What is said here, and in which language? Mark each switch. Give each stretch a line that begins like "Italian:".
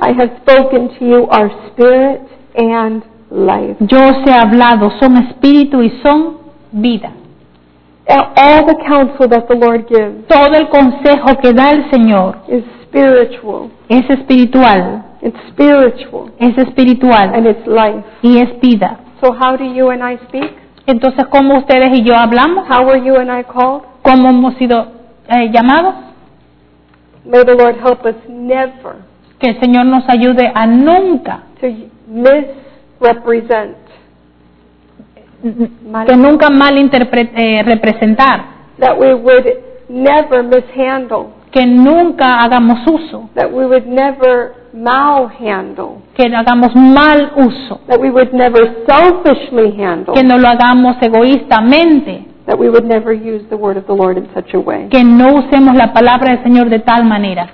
English: I have spoken to you our spirit and life.
Spanish: Yo os he hablado, son espíritu y son vida.
English: All the counsel that the Lord gives.
Spanish: Todo el consejo que da el Señor.
English: Is spiritual.
Spanish: Es espiritual.
English: It's spiritual.
Spanish: Es espiritual.
English: And it's life.
Spanish: Y es vida.
English: So how do you and I speak?
Spanish: Entonces, ¿cómo ustedes y yo hablamos?
English: How were you and I called?
Spanish: ¿Cómo hemos sido llamados?
English: May the Lord help us never.
Spanish: Que el Señor nos ayude a nunca.
English: To misrepresent.
Spanish: Que nunca malinterprete, representar.
English: That we would never mishandle.
Spanish: Que nunca hagamos uso.
English: That we would never malhandle.
Spanish: Que hagamos mal uso.
English: That we would never selfishly handle.
Spanish: Que no lo hagamos egoístamente.
English: That we would never use the word of the Lord in such a way.
Spanish: Que no usemos la palabra del Señor de tal manera.